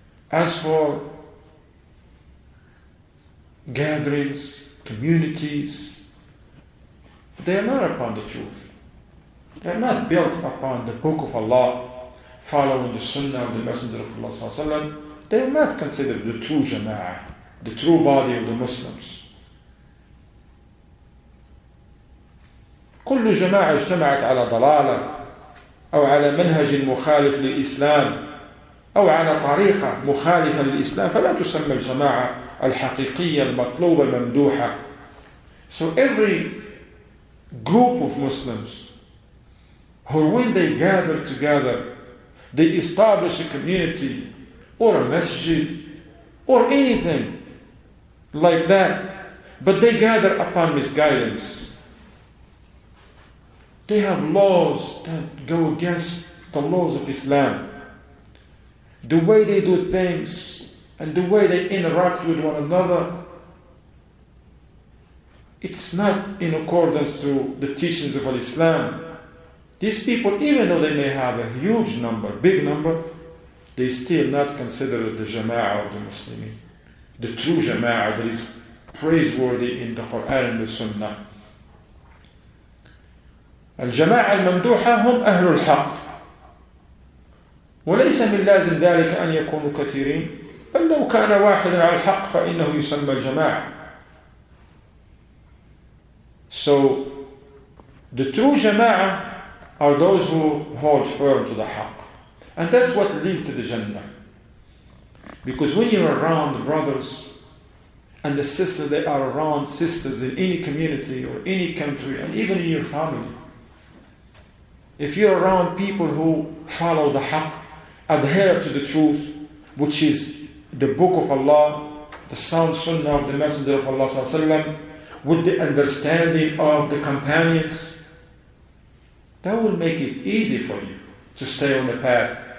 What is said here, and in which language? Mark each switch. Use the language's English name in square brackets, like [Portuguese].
[English] As for gatherings, communities, they are not upon the truth. They are not built upon the book of Allah, following the sunnah of the Messenger of Allah [Arabic] sallallahu alaihi wasallam, [English] they are not considered the true jama'ah, the true body of the Muslims. [Arabic] كل جماعة اجتمعت على ضلالة أو على منهج مخالف للإسلام أو على طريقة مخالفة للإسلام فلا تسمى الجماعة الحقيقية المطلوبة الممدوحة. [English] So every group of Muslims who, when they gather together, they establish a community, or a masjid, or anything like that. But they gather upon misguidance. They have laws that go against the laws of Islam. The way they do things, and the way they interact with one another, it's not in accordance to the teachings of Islam. These people, even though they may have a huge number, big number, they still not consider the jama'ah of the Muslimin, the true jama'ah that is praiseworthy in the Quran and the Sunnah. [Arabic] Al-jama'ah al-mamduha hum ahlul haqq. وليس من لازم ذلك أن يكونوا كثيرين بل لو كان واحدا على الحق فإنه يسمى الجماعة. [English] So the true jama'ah are those who hold firm to the haqq, and that's what leads to the jannah. Because when you're around the brothers and the sisters, they are around sisters in any community or any country, and even in your family, if you're around people who follow the haqq, adhere to the truth, which is the book of Allah, the sound sunnah of the Messenger of Allah [Arabic] sallallahu alaihi wasallam, [English] with the understanding of the companions, that will make it easy for you to stay on the path.